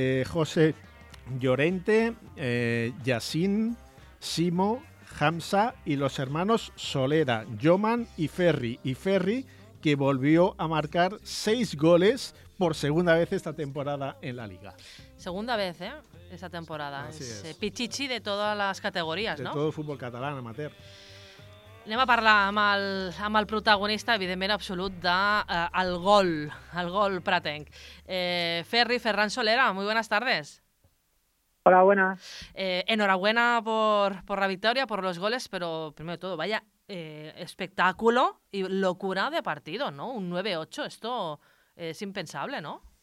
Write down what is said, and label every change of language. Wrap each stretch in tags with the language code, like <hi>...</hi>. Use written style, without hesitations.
<es>José Llorente, Yassin, Simo, Hamza y los hermanos Solera, Joman y Ferri. Y Ferri, que volvió a marcar 6 goles por segunda vez esta temporada en la Liga. Segunda vez, ¿eh? Esta temporada. Es pichichi de todas las categorías, de ¿no? De todo el fútbol catalán amateur.</es> <ca>Anem a parlar amb el protagonista, evidentment, absolut, del gol. El gol pratenc.</ca> <es>Ferri, Ferran Solera, muy buenas tardes. Hola, buenas. Enhorabuena por la victoria, por los goles, pero primero de todo, vaya espectáculo y locura de partido, ¿no? Un 9-8, esto es impensable, ¿no?</es>